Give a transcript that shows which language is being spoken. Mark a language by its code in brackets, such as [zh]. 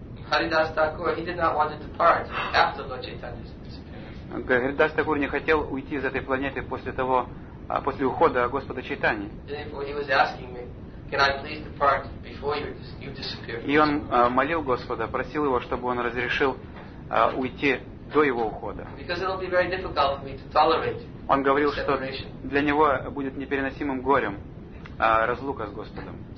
[en] Haridas Thakur, he did not want to depart after Lord Chaitanya's disappearance. [ru] Haridas Thakur не хотел уйти из этой планеты после того, после ухода Господа Чайтаньи. [en] Therefore, he was asking me, can I please depart before you disappear? [ru] И он молил Господа, просил его, чтобы он разрешил уйти до его ухода. [en] Because it will be very difficult for me to tolerate. [ru] Он говорил, что для него будет непереносимым горем разлука с Господом.